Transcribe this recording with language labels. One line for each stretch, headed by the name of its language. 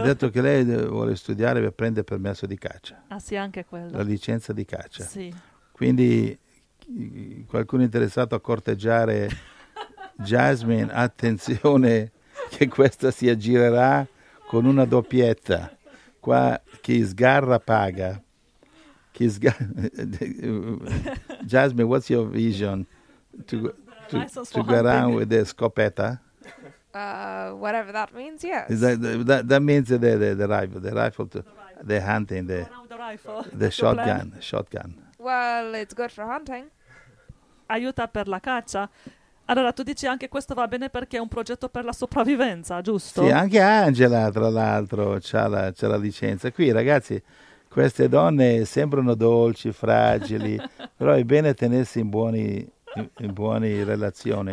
Italian: Ha detto che lei vuole studiare per prendere permesso di caccia. Ah sì, anche quello. La licenza di caccia. Sì. Quindi qualcuno interessato a corteggiare Jasmine, attenzione che questa si aggirerà con una doppietta. Qua chi sgarra paga.
English: Jasmine, what's your vision to go around with the scopetta? Whatever that means, yes. That means the rifle, the hunting, the shotgun. Well, it's good for hunting.
Italian: Aiuta per la caccia. Allora, tu dici anche questo va bene perché è un progetto per la sopravvivenza, giusto? Sì, anche Angela, tra l'altro, c'ha la licenza. Qui, ragazzi... Queste donne sembrano dolci, fragili, però è bene tenersi in buone relazioni.